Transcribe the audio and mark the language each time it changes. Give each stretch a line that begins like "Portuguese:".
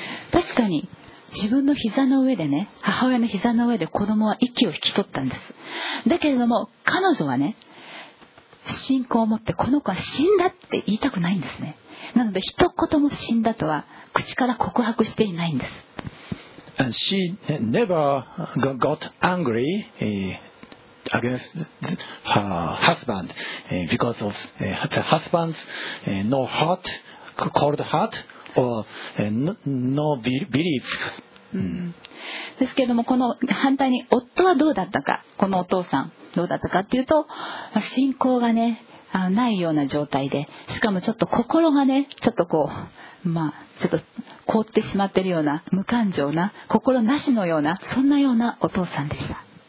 Japanese: 確かに自分の膝の上でね、母親の膝の上で子供は息を引き取ったんです。だけれども彼女はね、信仰を持ってこの子は死んだって言いたくないんですね。なので一言も死んだとは口から告白していないんです。
English: And she never got angry against her husband because of the husband's no heart, cold heartno belief。
Japanese: ですけれども、この反対に夫はどうだったか、このお父さんどうだったかっていうと、信仰がね、ないような状態で、しかもちょっと心がね、ちょっとこう、まあ、ちょっと凍ってしまってるような、無感情な、心なしのような、そんなようなお父さんでした。